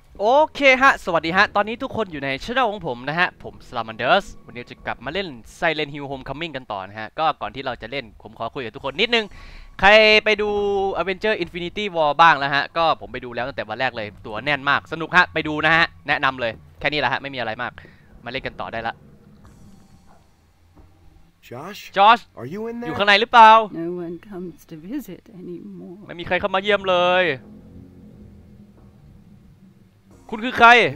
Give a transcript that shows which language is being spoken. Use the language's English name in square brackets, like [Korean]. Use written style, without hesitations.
[Thai] โอเคฮะสวัสดีฮะตอนนี้ทุกคนอยู่ในช่องของผมนะฮะผมสลามันเดอร์สวันนี้จะกลับมาเล่น Silent Hill Homecoming กันต่อนะฮะก็ก่อนที่เราจะเล่นผมขอคุยกับทุกคนนิดนึงใครไปดู Avenger Infinity War บ้างแล้วฮะก็ผมไปดูแล้วตั้งแต่วันแรกเลยตัวแน่นมากสนุกฮะไปดูนะฮะแนะนำเลยแค่นี้แหละฮะไม่มีอะไรมากมาเล่นกันต่อได้ละ [English] Josh Are you in there [Thai] อยู่ข้างในหรือเปล่า [English] No one comes to visit anymore [Thai] ไม่มีใครเข้ามาเยี่ยมเลยคุณคือใคร